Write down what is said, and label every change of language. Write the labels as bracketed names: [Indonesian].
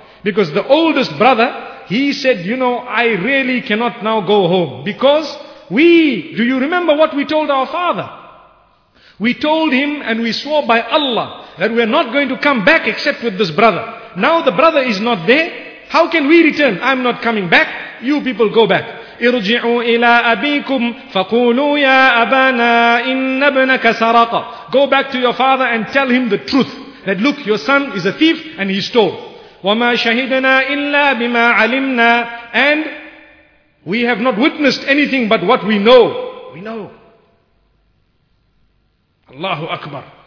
[English] Because the oldest brother, he said, you know, I really cannot now go home. Because do you remember what we told our father? We told him and we swore by Allah that we are not going to come back except with this brother. Now the brother is not there. How can we return? I'm not coming back. You people go back. [Arabic] ارجعوا إلى أبيكم فقولوا يا أبانا إن ابنك سرق. [English] Go back to your father and tell him the truth. That look, your son is a thief and he stole. [Arabic] وما شهدنا إلا بما علمنا. [English] And we have not witnessed anything but what we know. We know. [Arabic] الله أكبر.